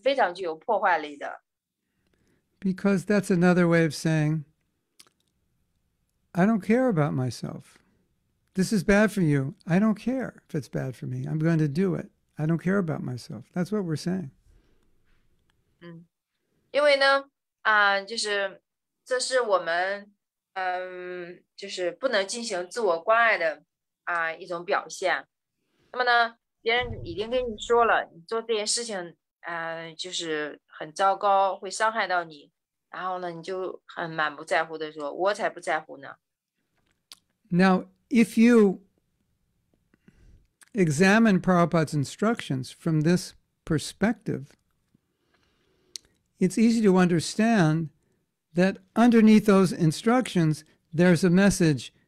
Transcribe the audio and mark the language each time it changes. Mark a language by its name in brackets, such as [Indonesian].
[Chinese] 很重要的一点，我们需要去自觉到，就是我们有这样的行为，因为这个行为对我们来说是非常具有破坏力的。Because [English] that's another way of saying, I don't care about myself. This is bad for you. I don't care if it's bad for me. I'm going to do it. I don't care about myself. That's what we're saying. [Chinese] 因为呢，就是这是我们。就是不能进行自我关爱的一种表现。那么呢，别人已经跟你说了，你做这件事情，就是很糟糕，会伤害到你。然后呢，你就很满不在乎的说，我才不在乎呢。Now, [English] if you examine Prabhupada's instructions from this perspective, it's easy to understand that underneath those instructions, there's a message,